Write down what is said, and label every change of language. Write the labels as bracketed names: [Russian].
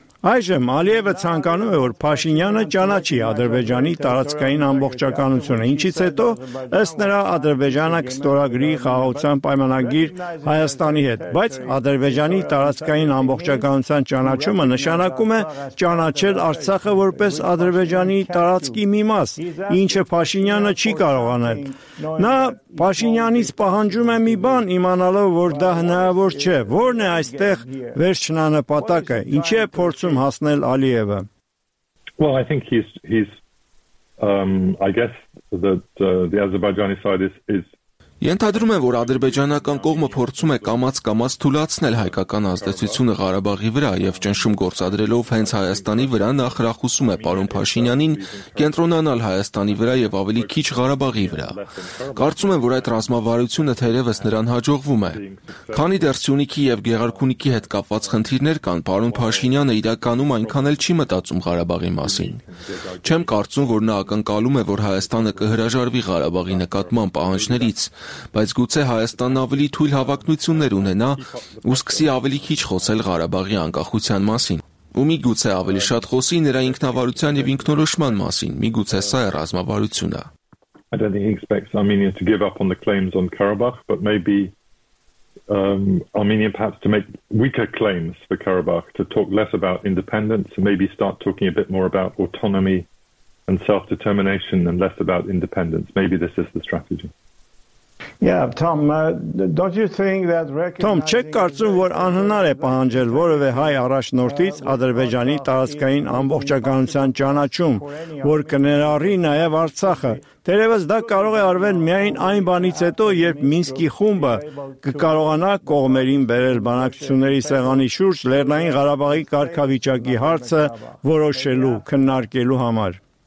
[Armenian] Այժմ Ալիևը ցանկանում է, որ Փաշինյանը ճանաչի Ադրբեջանի տարածքային ամբողջականությունը, ինչից հետո ըստ նրա Ադրբեջանը կստորագրի խաղաղության պայմանագիր Հայաստանի հետ, բայց Ադրբեջանի տարածքային ամբողջականության ճանաչումը նշանակում է ճանաչել Արցախը որպես Ադրբեջանի տարածքի մի մաս, ինչը Փաշինյանը չի կարողանալ։ Նա Փաշինյանից պահանջում է մի բան, իմանալով, որ դա հնարավոր չէ։ Որն է այստեղ վերջնանպատակը, ինչի է փորձում հասնել Ալիևը։ [English] Well, I think he's I guess the Azerbaijani side is [Armenian] Ենթադրում եմ, որ ադրբեջանական կողմը փորձում է կամաց-կամաց թուլացնել հայկական ազդեցությունը Ղարաբաղի վրա եւ ճնշում գործադրելով հենց Հայաստանի վրա նախրախուսում է պարոն Փաշինյանին կենտրոնանալ Հայաստանի վրա եւ ավելի քիչ Ղարաբաղի վրա։ Կարծում եմ, որ այդ ռազմավարությունը թերևս նրան հաջողվում է։ Քանի դեռ Սյունիքի եւ Գեղարքունիքի հետ կապված խնդիրներ կան, պարոն Փաշինյանը իրականում այնքան էլ չի մտածում Ղարաբաղի մասին։ Չեմ կարծում, որ նա ակնկալում է, որ Հայաստանը կհրաժարվի Ղարաբաղի նկատմամբ պահանջներից, բայց գուցե Հայաստանն ավելի թույլ հավակնություններ ունենա ու սկսի ավելի քիչ խոսել Ղարաբաղի անկախության մասին, ու մի գուցե ավելի շատ խոսի նրա ինքնավարության եւ ինքնորոշման մասին, մի գուցե սա է ռազմավարությունը։ [English] I don't think he expects Armenia to give up on the claims on Karabakh, but maybe Armenia perhaps to make weaker claims for Karabakh, to talk less about independence and maybe start talking a bit more about autonomy and self-determination and less about independence. Maybe this is the strategy. Yeah, Tom, don't you think that [Armenian] Tom, չեք կարծում, որ անհնար է պահանջել որևէ հայ առաջնորդից Ադրբեջանի տարածքային ամբողջականության ճանաչում, որ կներառի նաև Արցախը։ Դերևս դա կարող է արվել միայն այն բանից հետո, երբ Մինսկի խումբը կկարողանա կողմերին բերել բանակցությունների սեղանի շուրջ Լեռնային Ղարաբաղի կարգավիճակի հարցը որոշելու, քննարկելու համար։